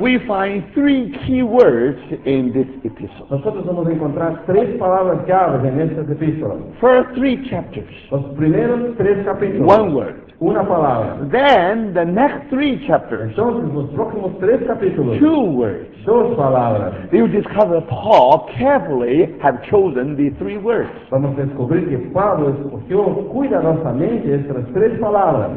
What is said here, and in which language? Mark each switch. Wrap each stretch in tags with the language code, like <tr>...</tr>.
<en>we find three key words in this epistle.</en> <es>Nosotros vamos a encontrar tres palabras clave en estas epístolas.</es> <en>First three chapters.</en> <es>Los primeros tres capítulos.</es> <en>One word.</en> <es>Una palabra.</es> <en>Then the next three chapters.</en> <es>Entonces los próximos tres capítulos.</es> <en>Two words.</en> <es>Dos palabras.</es> <en>You discover Paul carefully have chosen the three words.</en> <es>Vamos a descubrir que Pablo escogió cuidadosamente estas tres palabras.</es>